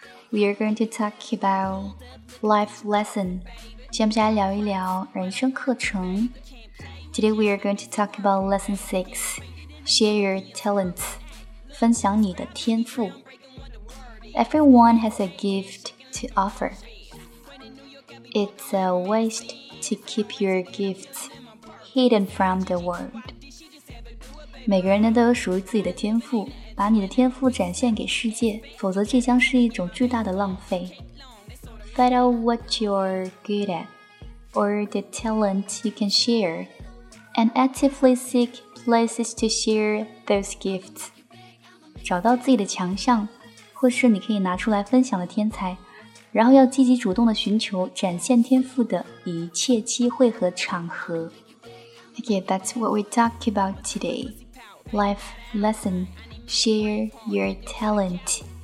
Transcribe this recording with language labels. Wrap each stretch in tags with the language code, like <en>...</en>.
<en>We are going to talk about life lesson。</en> <zh>接下来聊一聊人生课程。</zh> <en>Today we are going to talk about lesson 6, share your talents,</en> <zh>分享你的天赋。</zh> <en>Everyone has a gift to offer. It's a waste to keep your gifts hidden from the world.</en> <zh>每个人呢都有属于自己的天赋，把你的天赋展现给世界，否则这将是一种巨大的浪费。</zh> <en>Find out what you're good at, or the talent you can share, and actively seek places to share those gifts.</en> <zh>找到自己的强项，或是你可以拿出来分享的天才，然后要积极主动地寻求展现天赋的一切机会和场合。</zh> <en>Okay, that's what we talk about today. Life lesson, share your talent.</en>